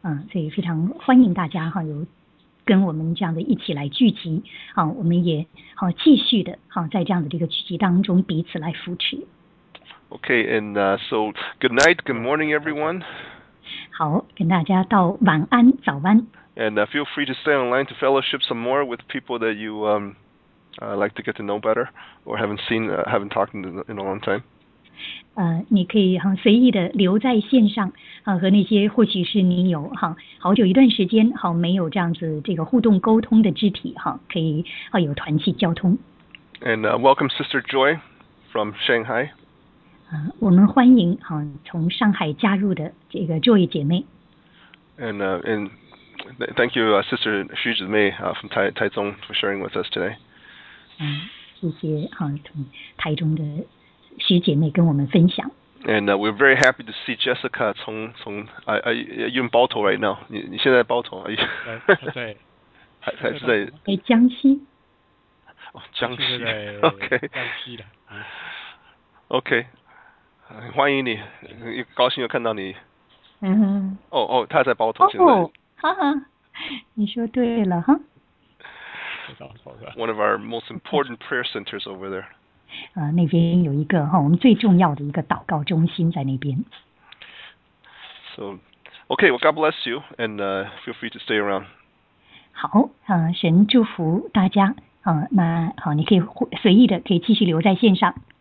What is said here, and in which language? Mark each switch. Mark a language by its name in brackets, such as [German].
[Chinese] 所以非常欢迎大家有跟我们这样的一起来聚集我们也继续的在这样的这个聚集当中彼此来扶持。 [English] Okay, and so good night, good morning, everyone. [Chinese] 好，跟大家道晚安，早安。 [English] And feel free to stay online to fellowship some more with people that you like to get to know better or haven't talked in a long time. [Chinese] 你可以随意的留在线上和那些或许是你有好久一段时间没有这样子这个互动沟通的肢体可以有团契交通。 [English] And welcome Sister Joy from Shanghai. [Chinese] 我们欢迎从上海加入的这个 Joy 姐妹。 [English] And thank you, Sister Xu Zimei from Taizong for sharing with us today. [Chinese] 谢谢从台中的徐姐妹跟我们分享。 [English] And we're very happy to see Jessica 从 are you in 包头 right now? [Chinese] 你现在包头？对，还是在江西。江西。OK。江西的。 OK。 欢迎你，高兴又看到你。嗯。哦，他在包头现在。哈哈，你说对了哈。 [English] One of our most important prayer centers over there. [Chinese] 那边有一个我们最重要的一个祷告中心在那边。 [English] So, okay, well, God bless you, and feel free to stay around. [Chinese] 好，神祝福大家。那好，你可以随意的可以继续留在线上。